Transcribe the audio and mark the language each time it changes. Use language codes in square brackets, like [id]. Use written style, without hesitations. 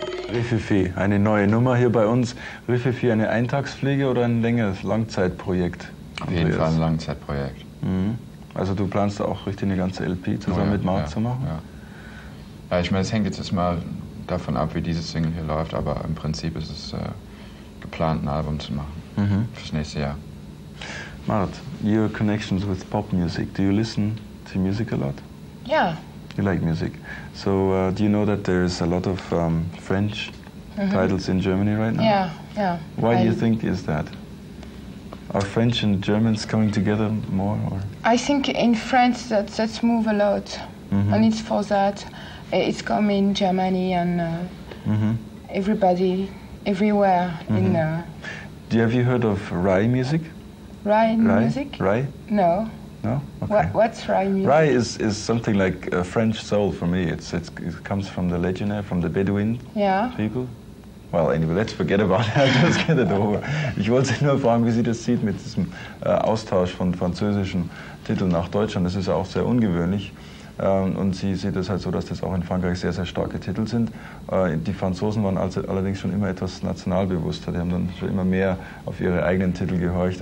[de] Refifi, eine neue Nummer hier bei uns. Refifi, eine Eintagspflege oder ein längeres Langzeitprojekt? Andreas? Auf jeden Fall ein Langzeitprojekt. Also du planst auch richtig eine ganze LP zusammen mit Marc zu machen? Ja. Ich meine, es hängt jetzt mal davon ab, wie diese Single hier läuft, aber im Prinzip ist es geplant, ein Album zu machen fürs nächste Jahr. [en] Mart, your connections with pop music, do you listen to music a lot? Yeah. You like music. So, do you know that there is a lot of French titles in Germany right now? Yeah, yeah. Why do you think is that? Are French and Germans coming together more? Or? I think in France that's move a lot, and it's for that. It's come in Germany and everybody, everywhere. Have you heard of Rai music? Rai music? Rai? No. No? Okay. What's Rai music? Rai is something like a French soul for me. It comes from the legionnaire, from the Bedouin people. Well, anyway, let's forget about it. Let's get it over. [de] Ich wollte Sie nur fragen, wie Sie das sieht mit diesem Austausch von französischen Titeln nach Deutschland. Das ist ja auch sehr ungewöhnlich. Und Sie sehen das halt so, dass das auch in Frankreich sehr, sehr starke Titel sind. Die Franzosen waren also allerdings schon immer etwas nationalbewusster. Die haben dann schon immer mehr auf ihre eigenen Titel gehorcht.